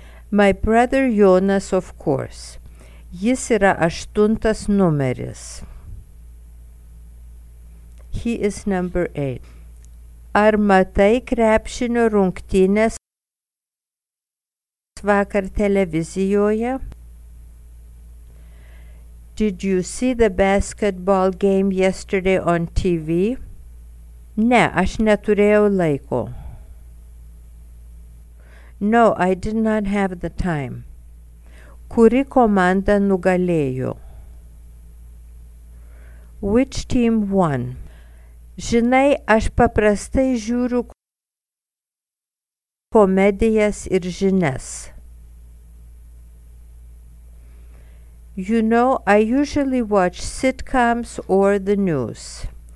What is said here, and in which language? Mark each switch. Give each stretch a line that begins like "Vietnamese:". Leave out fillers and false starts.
English: My brother Jonas, of course.
Lithuanian: Jis yra 8 numeris.
English: He is number 8.
Lithuanian: Ar matai krepšinio rungtynės vakar televizijoje?
English: Did you see the basketball game yesterday on TV?
Lithuanian: Ne, aš neturėjau laiko.
English: No, I did not have the time.
Lithuanian: Kuri komanda nugalėjo?
English: Which team won?
Lithuanian: Žinai, aš paprastai žiūriu komedijas ir žinias.
English: You know, I usually watch sitcoms or the news.